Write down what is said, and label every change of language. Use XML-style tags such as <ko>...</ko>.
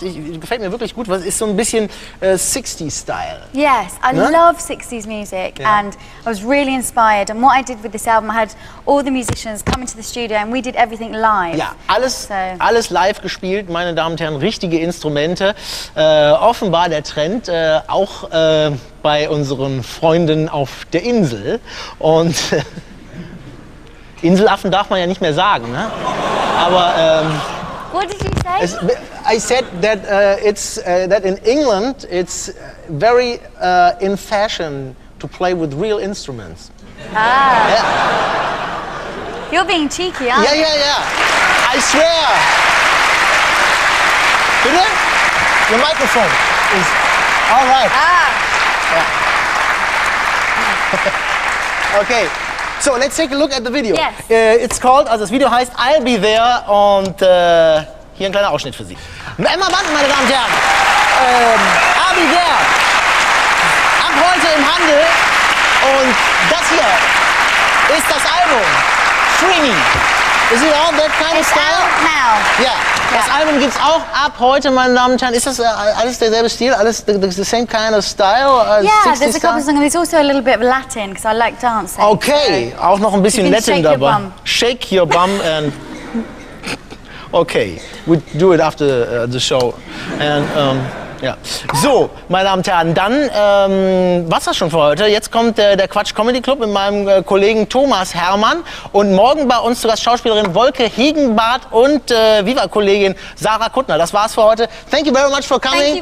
<de>Gefällt mir wirklich gut. Was ist so ein bisschen 60s style?</de> <en>Yes, I love 60s music, and I was really inspired. And what I did with this album, I had all the musicians come into the studio, and we did everything live.</en> <de>Ja, alles live gespielt, meine Damen und Herren. Richtige Instrumente. Offenbar der Trend auch. Bei unseren Freunden auf der Insel. Und Inselaffen darf man ja nicht mehr sagen, ne? Aber</de> <en>What did you say? I said that that in England it's very in fashion to play with real instruments. Ah. Yeah. You're being cheeky, aren't you? Yeah. I swear. Bitte? The microphone is all right. Ah. Okay, so let's take a look at the video. Yes.</en> <de>It's called, also das Video heißt I'll Be There, und hier ein kleiner Ausschnitt für Sie. Emma Bunton, meine Damen und Herren. I'll Be There. Ab heute im Handel. Und das hier ist das Album. Freeney. Is it all that kind</de> <en>it's of style? Out now. Yeah.</en> <de>Das Album gibt's auch ab heute, meine Damen und Herren. Ist das alles derselbe Stil? Alles the same kind of style?</de> <en>There's a couple of songs. It's also a little bit of Latin, because I like dancing.</en> <de>Okay, so auch noch ein bisschen</de> <en>you can</en> <de>Latin</de> <en>shake</en> <de>dabei.</de> <en>Your bum. Shake your bum and okay, we do it after the show. And yeah.</en> <de>So, meine Damen und Herren, dann war's das schon für heute. Jetzt kommt der Quatsch Comedy Club mit meinem Kollegen Thomas Herrmann. Und morgen bei uns zu Gast Schauspielerin Wolke Hiegenbart und Viva-Kollegin Sarah Kuttner. Das war's für heute. Thank you very much for coming.</de>